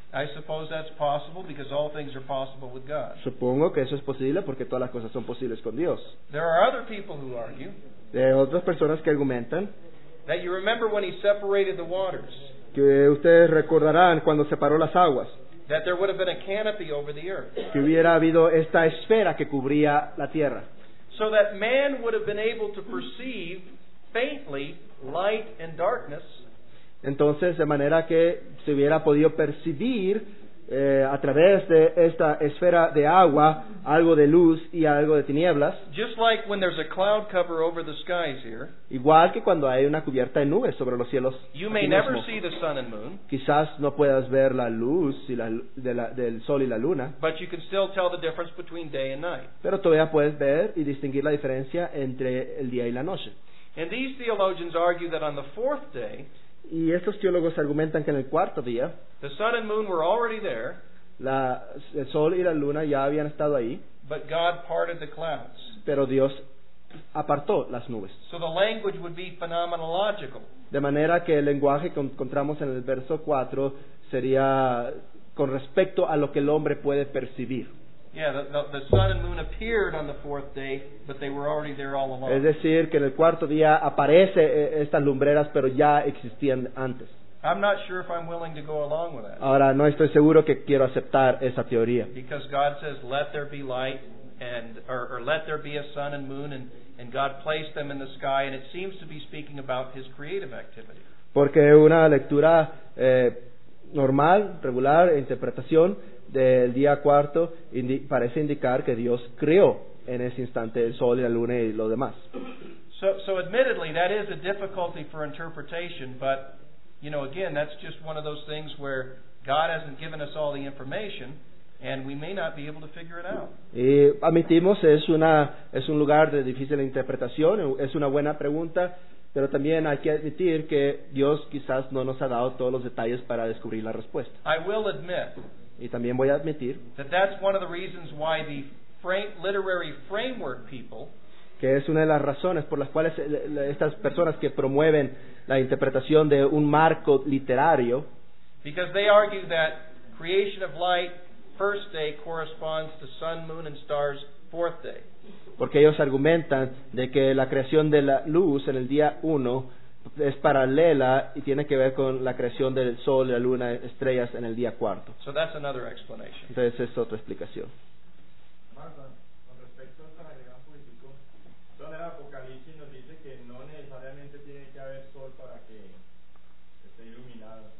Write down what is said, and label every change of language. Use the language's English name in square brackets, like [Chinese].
[English] I suppose that's possible because all things are possible with God. [Spanish] Supongo que eso es posible porque todas las cosas son posibles con Dios. [English] There are other people who argue. [Spanish] De otras personas que argumentan. [English] That you remember when he separated the waters. [Spanish] Que ustedes recordarán cuando separó las aguas. [English] That there would have been a canopy over the earth. [Spanish] Que hubiera habido esta esfera que cubría la tierra. [English] So that man would have been able to perceive faintly light and darkness. [Spanish] Entonces, de manera que se hubiera podido percibir a través de esta esfera de agua, algo de luz y algo de tinieblas. [English] Just like when there's a cloud cover over the skies here. [Spanish] Igual que cuando hay una cubierta de nubes sobre los cielos. [English] You may never see the sun and moon. [Spanish] Quizás no puedas ver la luz y la, de la, del sol y la luna. [English] But you can still tell the difference between day and night. [Spanish] Pero todavía puedes ver y distinguir la diferencia entre el día y la noche. [English] And these theologians argue that on the fourth day, [Spanish] y estos teólogos argumentan que en el cuarto día, [English] the sun and moon were already there, [Spanish] la, el sol y la luna ya habían estado ahí, [English] but God parted the clouds. [Spanish] Pero Dios apartó las nubes. [English] So the language would be phenomenological. [Spanish] De manera que el lenguaje que encontramos en el verso 4 sería con respecto a lo que el hombre puede percibir. [English] Yeah, the sun and moon appeared on the fourth day, but they were already there all along. [Spanish] Es decir, que en el cuarto día aparece estas lumbreras, pero ya existían antes. [English] I'm not sure if I'm willing to go along with that. [Spanish] Ahora, no estoy seguro que quiero aceptar esa teoría. [English] Because God says, "Let there be light," and or "Let there be a sun and moon," and God placed them in the sky, and it seems to be speaking about His creative activity. [Spanish] Porque una lectura normal, regular, interpretación del día cuarto parece indicar que Dios creó en ese instante el sol y la luna y lo demás. [English] So admittedly that is a difficulty for interpretation, but you know, again, that's just one of those things where God hasn't given us all the information and we may not be able to figure it out. [Spanish] Y admitimos es un lugar de difícil interpretación, es una buena pregunta, pero también hay que admitir que Dios quizás no nos ha dado todos los detalles para descubrir la respuesta. [English] I will admit, [Spanish] y también voy a admitir [English] that's one of the reasons why the literary framework people, [Spanish] que es una de las razones por las cuales estas personas que promueven la interpretación de un marco literario, [English] because they argue that creation of light first day corresponds to sun, moon and stars fourth day, [Spanish] porque ellos argumentan de que la creación de la luz en el día uno es paralela y tiene que ver con la creación del sol, la luna, estrellas en el día cuarto. [English] So that's another explanation. [Spanish] Entonces es otra explicación. Marta, con respecto a esta realidad política, son el Apocalipsis nos dice que no necesariamente tiene que haber sol para que esté iluminado.